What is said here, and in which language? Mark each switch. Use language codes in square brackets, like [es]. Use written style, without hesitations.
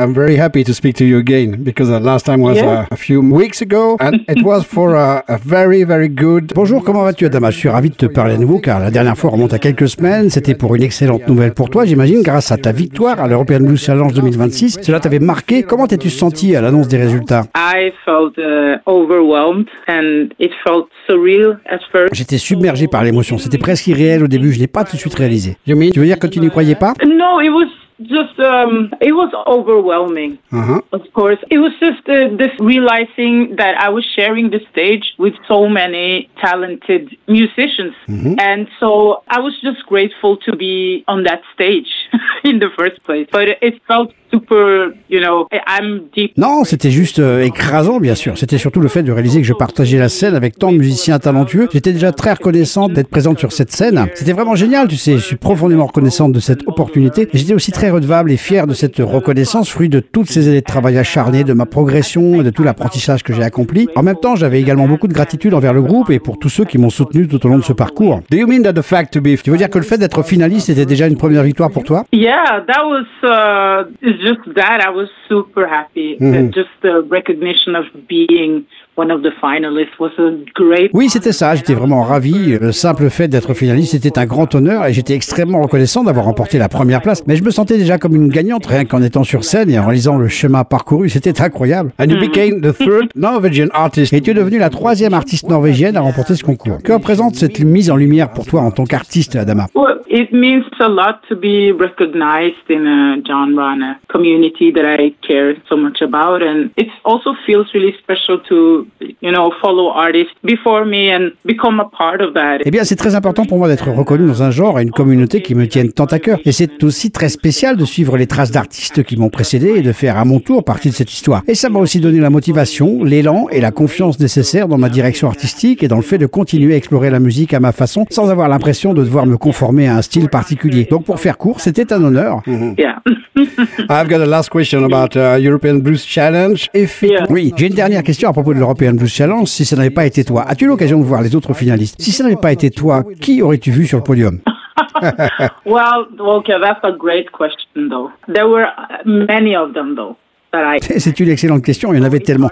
[en] I'm very happy to speak to you again because the last time was a few weeks ago and it was for a very, very good... [fr] Bonjour, comment vas-tu, Adama? Je suis ravi de te parler à nouveau car la dernière fois remonte à quelques semaines. C'était pour une excellente nouvelle pour toi, j'imagine, grâce à ta victoire à l'European Blues Challenge 2026. Cela t'avait marqué. Comment t'es-tu senti à l'annonce des résultats? [en] I felt overwhelmed and it felt surreal at first. [fr] J'étais submergé par l'émotion. C'était presque irréel au début. Je n'ai pas tout de suite réalisé. [en] You mean, [fr] tu veux dire que tu n'y croyais pas? [en] No, it was just it was overwhelming. Of course, it was just this realizing that I was sharing the stage with so many talented musicians, and so I was just grateful to be on that stage in the first place. But it felt super, you know, I'm deep. [fr] Non, c'était juste écrasant, bien sûr. C'était surtout le fait de réaliser que je partageais la scène avec tant de musiciens talentueux. J'étais déjà très reconnaissante d'être présente sur cette scène. C'était vraiment génial, tu sais. Je suis profondément reconnaissante de cette opportunité. J'étais aussi très redevable et fier de cette reconnaissance, fruit de toutes ces années de travail acharné, de ma progression et de tout l'apprentissage que j'ai accompli. En même temps, j'avais également beaucoup de gratitude envers le groupe et pour tous ceux qui m'ont soutenu tout au long de ce parcours. [en] Do you mean that the fact to be? [fr] Tu veux dire que le fait d'être finaliste était déjà une première victoire pour toi? [en] Yeah, that was just that. I was super happy. Just the recognition of being one of the finalists was a great. [fr] Oui, c'était ça. J'étais vraiment ravi. Le simple fait d'être finaliste était un grand honneur et j'étais extrêmement reconnaissant d'avoir remporté la première place. Mais je me sentais déjà comme une gagnante rien qu'en étant sur scène et en lisant le chemin parcouru. C'était incroyable. [en] And you became the third Norwegian artist. [fr] Et tu es devenue la troisième artiste norvégienne à remporter ce concours. Que représente cette mise en lumière pour toi en tant qu'artiste, Adama? [en] Well, it means a lot to be recognized in a genre and a community that I care so much about. And it also feels really special to, you know, follow artists before me and become a part of that. [fr] Eh bien, c'est très important pour moi d'être reconnu dans un genre et une communauté qui me tiennent tant à cœur. Et c'est aussi très spécial de suivre les traces d'artistes qui m'ont précédé et de faire à mon tour partie de cette histoire. Et ça m'a aussi donné la motivation, l'élan et la confiance nécessaires dans ma direction artistique et dans le fait de continuer à explorer la musique à ma façon sans avoir l'impression de devoir me conformer à un style particulier. Donc pour faire court, c'était un honneur. [en] Yeah. I've got a last question about European Blues Challenge. [fr] Oui, j'ai une dernière question à propos de l'European Blues Challenge. Si ça n'avait pas été toi, as-tu l'occasion de voir les autres finalistes? Si ça n'avait pas été toi, qui aurais-tu vu sur le podium? [en] Well, okay, that's a great question, though. There were many of them, though. [fr] C'est une excellente question, il y en avait tellement.